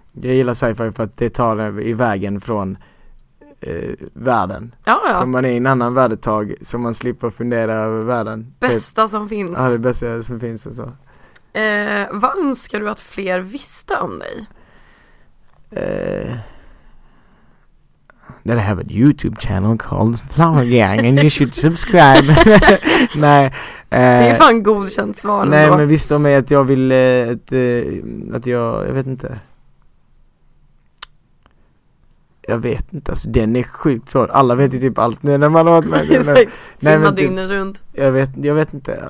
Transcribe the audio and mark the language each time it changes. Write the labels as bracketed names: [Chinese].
[Swedish] Jag gillar sci-fi för att det tar i vägen från världen. Ja, ja. Så man är i en annan värdetag, så man slipper fundera över världen. Bästa typ. Som finns. Ja, det bästa som finns och så. Vad önskar du att fler visste om dig? [English] That I have a YouTube channel called Flower Gang and you should subscribe. [Swedish] Nej. Det är fan godkänt svar. Nej, men visste om mig att jag vill att jag vet inte. Jag vet inte, alltså den är sjukt svår. Alla vet ju typ allt nu när man har varit med. Filma dygnet typ, runt. Jag vet inte.